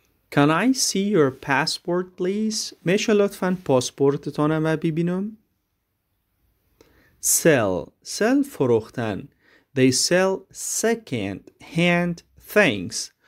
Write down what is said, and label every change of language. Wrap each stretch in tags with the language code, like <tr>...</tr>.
<en>Can I see your passport please?</en> <fa>میشه لطفاً پاسپورتتانم و ببینم؟ Sell فروختن.</fa> <en>They sell second hand things.</en>